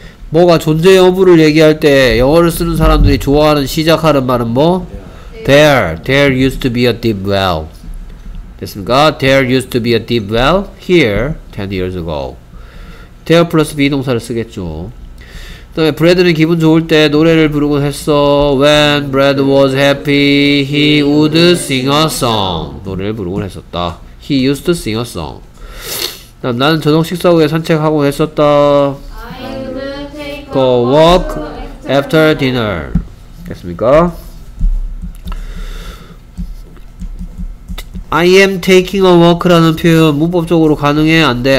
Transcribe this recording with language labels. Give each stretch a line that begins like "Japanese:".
Korean: 뭐가 존재 여부를 얘기할 때 영어를 쓰는 사람들이 좋아하는 시작하는 말은 뭐?
English: There used to be a deep well.
Korean: 됐습니까?
English: There used to be a deep well here 10 years ago. There plus be
Korean: 동사를 쓰겠죠. 그 다음에 브래드는 기분 좋을 때 노래를 부르곤 했어.
English: When Brad was happy, he would sing a song.
Korean: 노래를 부르곤 했었다.
English: He used to sing a song.
Korean: 그다음, 나는 저녁 식사 후에 산책하고 했었다.
English: I would take a walk after dinner.
Korean: 됐습니까?
English: I am taking a walk
Korean: 라는 표현 문법적으로 가능해? 안 돼?